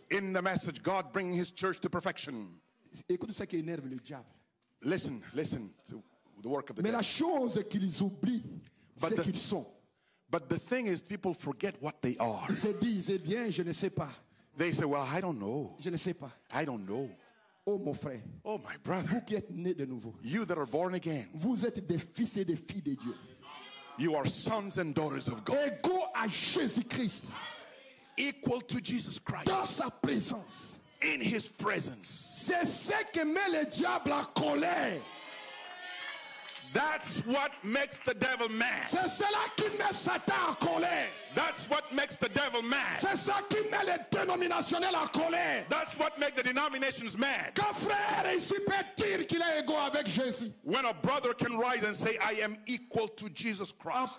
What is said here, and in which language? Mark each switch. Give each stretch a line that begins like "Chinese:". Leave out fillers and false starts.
English: In the message, God bring his church to perfection.
French: Écoute ce qui énerve le diable.
English: Listen to the work of the
French: mais
English: devil.
French: La chose qu'ils oublient, but c'est qu'ils sont.
English: But the thing is, people forget what they are.
French: Ils se disent, bien, je ne sais pas.
English: They say, well, I don't know.
French: Je ne sais pas.
English: I don't know.
French: Oh, mon frère.
English: Oh, my brother.
French: Vous qui êtes né de nouveau.
English: You that are born again.
French: Vous êtes des fils et des filles de Dieu.
English: You are sons and daughters of God.
French: Égaux à Jésus-Christ.
English: Equal to Jesus Christ.
French: Dans sa présence.
English: In his presence.
French: C'est ce qui met le diable en colère.
English: That's what makes the devil mad.
French: C'est cela qui met Satan en colère.
English: That's what makes the devil mad.
French: C'est ça qui met les dénominationnels en colère.
English: That's what makes the denominations mad.
French: Quand frère ici peut dire qu'il est égaux avec Jésus.
English: When a brother can rise and say, I am equal to Jesus Christ.